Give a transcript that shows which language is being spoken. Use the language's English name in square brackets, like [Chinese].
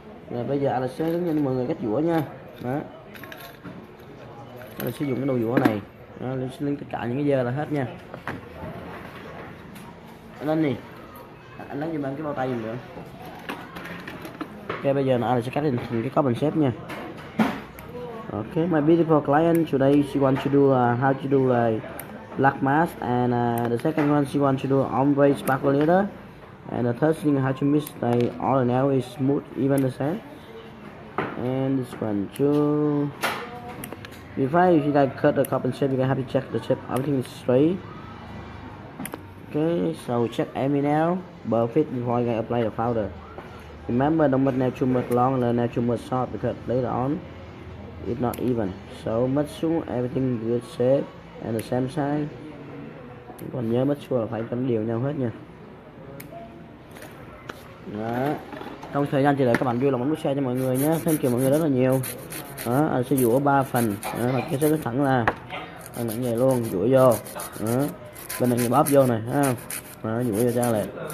[Vietnamese] Rồi bây giờ Alex sẽ hướng dẫn mọi người cách dũa nha. Đó. Alex sử dụng cái đồ dũa này. Đó, lên xin lên tất cả những cái giờ là hết nha. Anh lấy giùm anh cái bao tay giùm được. Ok, bây giờ nó sẽ cắt thành cái carbon shape nha. [English] Ok, my beautiful client today she wants to do how to do a black mask, and the second one she wants to do ombre sparkle leader, and the third thing how to mix the all the nail is smooth even the sand. And this one too. Before you guys cut the carbon shape, you can have to check the shape, everything is straight. Okay, so check every nail, perfect before you apply the powder. Remember, don't make nail too much long, and nail too much short, because later on, it's not even. So make sure everything good shape and the same size. [Vietnamese] Còn nhớ [English] make sure [Vietnamese] là phải cắn đều nhau hết nha. Đó. Trong thời gian chờ đợi các bạn vui lòng bấm nút share cho mọi người nhé. [English] Thank you [Vietnamese] mọi người rất là nhiều. Đó, anh sẽ dũa 3 phần. Đó, cái sẽ thẳng là anh mạnh vậy luôn, dũa vô. Đó. Bên này bóp vô này ha. Đó, dũa vô trang lại.